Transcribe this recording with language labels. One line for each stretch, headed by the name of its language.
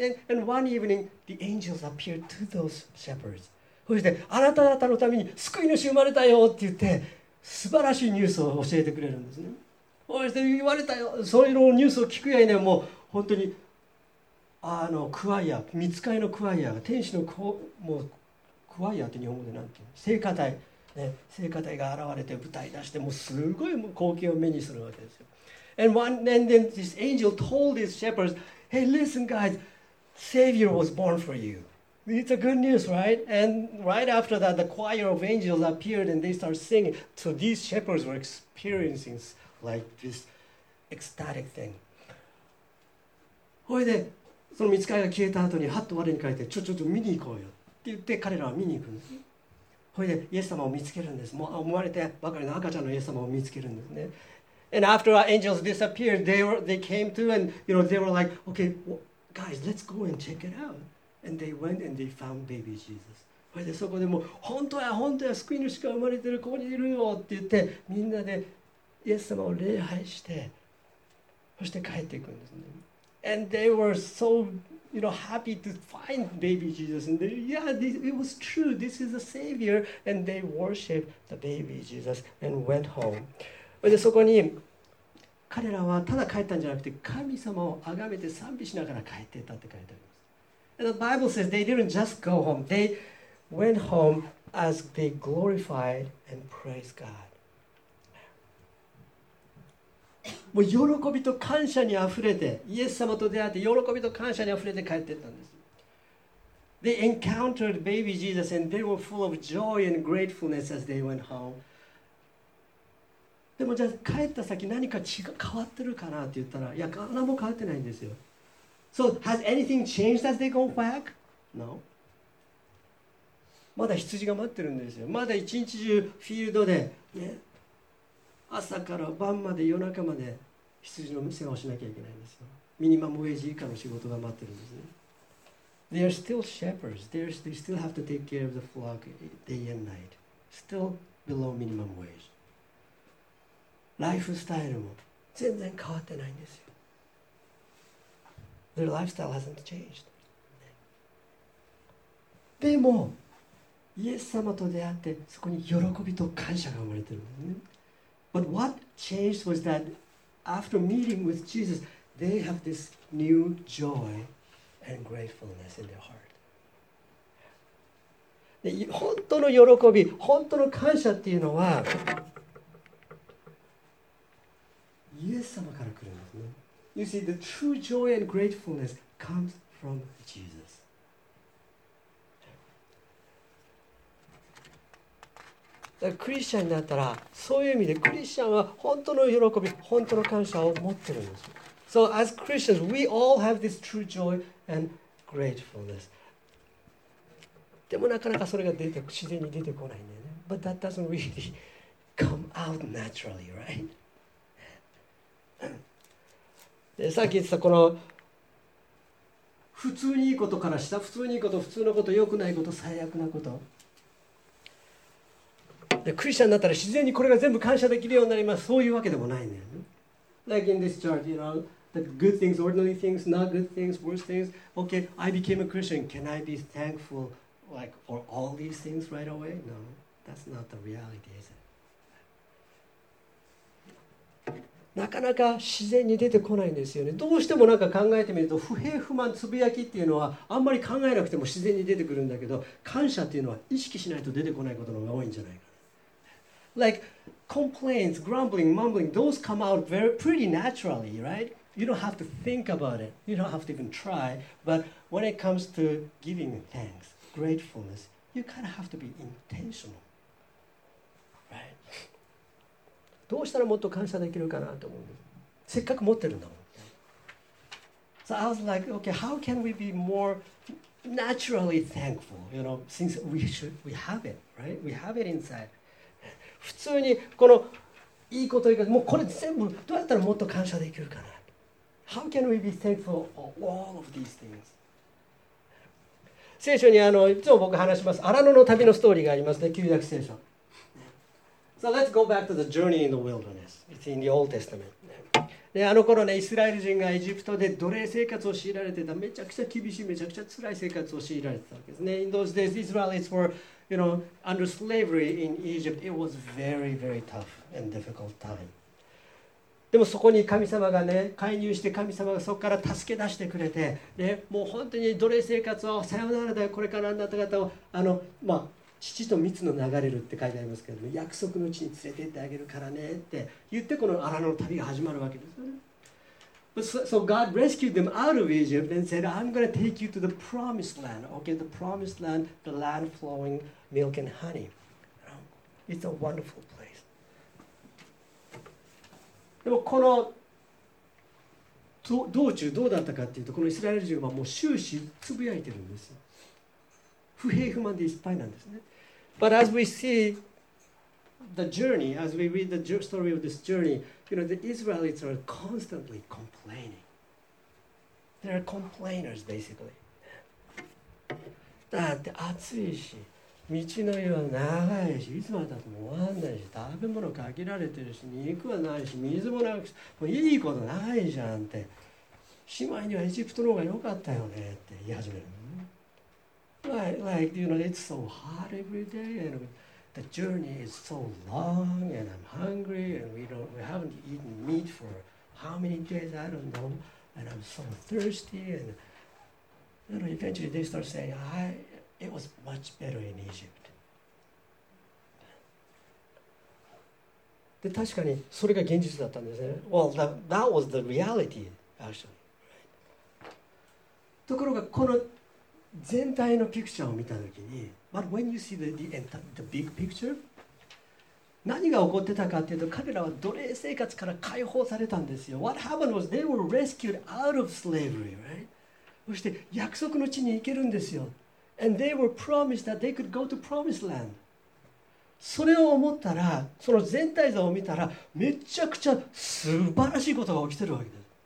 English: And one evening, the angels appeared to those shepherds.
Japanese: そして、あなた方のために救い主生まれたよって言って、素晴らしいニュースを教えてくれるんですね。そして、言われたよ、そういうのニュースを聞くやいね、もう本当に、あの、クワイア、御使いのクワイアが、天使のもう、クワイアって日本語でなんて言う、聖歌隊、ね、聖歌隊が現れて舞台出して、もうすごい光景を目にするわけですよ。
English: and then this angel told his shepherds, hey listen guys, Savior was born for you. It's a good news, right? And right after that, the choir of angels appeared and they started singing. So these shepherds were experiencing like this ecstatic thing.
Japanese: それでその見つかりが消えた後にハッと我に返って、ちょ見に行こうよって言って彼らは見に行くんです。それでイエス様を見つけるんです。もう生まれてばかりの赤ちゃんのイエス様を見つけるんですね。
English: And after our angels disappeared, they came to and you know they were like, okay, guys, let's go and check it out. And they went and they found baby Jesus.
Japanese: それでそこでもう本当や救い主が生まれてる、ここにいるよって言ってみんなでイエス様を礼拝して、そして帰っていくんですね。
English: And they were so, you know, happy to find baby Jesus. And they, yeah, this, it was true. This is a savior. And they worshiped the baby Jesus and went home. But
Japanese: そこに彼らはただ帰ったんじゃなくて、神様を崇めて賛美しながら帰っていったって書いてあります。
English: And the Bible says they didn't just go home. They went home as they glorified and praised God.
Japanese: もう喜びと感謝にあふれて、イエス様と出会って喜びと感謝にあふれて帰っていったんです。
English: They encountered baby Jesus and they were full of joy and gratefulness as they went home.
Japanese: でもじゃあ帰った先何か違う変わってるかなって言ったら、いや何も変わってないんですよ。
English: So has anything changed as they go back? No.
Japanese: まだ羊が待ってるんですよ。まだ一日中フィールドで、ね、朝から晩まで夜中まで羊の世話をしなきゃいけないんですよ。ミニマムウェイジ以下の仕事が待ってるんですね。
English: They are still shepherds. They still have to take care of the flock day and night. Still below minimum wage.
Japanese: ライフスタイルも全然変わってないんですよ。
English: Their lifestyle hasn't changed.
Japanese: でも、イエス様と出会ってそこに喜びと感謝が生まれてるんですね。
English: But what changed was that after meeting with Jesus, they have this new joy and gratefulness in their heart.
Japanese: で、本当の喜び、本当の感謝っていうのは、イエス様から来るんですね。
English: You see, the true joy and gratefulness comes from Jesus.
Japanese: だクリスチャンになったら、そういう意味でクリスチャンは本当の喜び、本当の感謝を持ってるんです。
English: So as Christians, we all have this true joy and gratefulness.
Japanese: でもなかなかそれが出て自然に出てこないんだよね。
English: But that doesn't really come out naturally, right?
Japanese: でさっき言ってたこの普通にいいことからした、普通にいいこと、普通のこと、良くないこと、最悪なこと。でクリスチャンになったら自然にこれが全部感謝できるようになります、そういうわけでもないんだよね。
English: Like in this chart, you know, the good things, ordinary things, not good things, worst things. Okay, I became a Christian. Can I be thankful like for all these things right away? No, that's not the reality, is it?
Japanese: なかなか自然に出てこないんですよね。どうしてもなんか考えてみると不平不満つぶやきっていうのはあんまり考えなくても自然に出てくるんだけど、感謝っていうのは意識しないと出てこないことの方が多いんじゃないか。
English: Like complaints, grumbling, mumbling, those come out very pretty naturally, right? You don't have to think about it. You don't have to even try. But when it comes to giving thanks, gratefulness, you kind of have to be intentional, right?
Japanese: どうしたらもっと感謝できるかなと思うんです。せっかく持ってるんだもん。
English: So I was like, okay, how can we be more naturally thankful? You know, since we have it, right? We have it inside.
Japanese: 普通にこのいいこと以外、もうこれ全部どうやったらもっと感謝できるかな。
English: How can we be thankful for all of these things?
Japanese: 聖書にいつも僕話します、アラノの旅のストーリーがありますね、旧約聖書。
English: So let's go back to the journey in the wilderness. It's in the Old Testament.
Japanese: で、あの頃ね、イスラエル人がエジプトで奴隷生活を強いられてた、めちゃくちゃ厳しい、めちゃくちゃ辛い生活を強いられてたわけですね。
English: In those days, Israelites wereYou know, under slavery in Egypt, it was very, very tough and difficult time.
Japanese: でもそこに神様がね、介入して神様がそこから助け出してくれて、ね、もう本当に奴隷生活はさよならだよ、これからあなた方をまあ、父と蜜の流れるって書いてありますけども、約束の地に連れてってあげるからねって言って、この荒野の旅が始まるわけですよね。
English: So God rescued them out of Egypt and said, I'm going to take you to the promised land. Okay, the promised land, the land flowing milk and honey. It's a wonderful place.
Japanese: でもこの道中どうだったかっていうと、このイスラエル人はもう終始つぶやいてるんですよ。不平不満でいっぱいなんですね。
English: But as we see the journey, as we read the story of this journey, you know, the Israelites are constantly complaining. They are complainers, basically.
Japanese: だって暑いし、道のりは長いし、いつまでたっても終わんないし、食べ物限られてるし、肉はないし、水もなくし、もういいことないじゃんって、しまいにはエジプトの方が良かったよねって言い始める。
English: Like, you know, it's so hot every day, and the journey is so long, and I'm hungry, and we haven't eaten meat for how many days, I don't know, and I'm so thirsty, and you know, eventually they start saying, It was much better in Egypt.
Japanese: で、確かにそれが現実だったんですね。
English: Well, that was the reality, actually.
Japanese: ところが、この全体のピクチャーを見たときに、
English: But when you see the big picture,
Japanese: 何が起こってたかっていうと、彼らは奴隷生活から解放されたんですよ。
English: What happened was they were rescued out of slavery, right?
Japanese: そして、約束の地に行けるんですよ。
English: And they were promised that they could go to promised land.
Japanese: それを思ったら、その全体像を見たら、めちゃくちゃ素晴らしいことが起きてるわけです。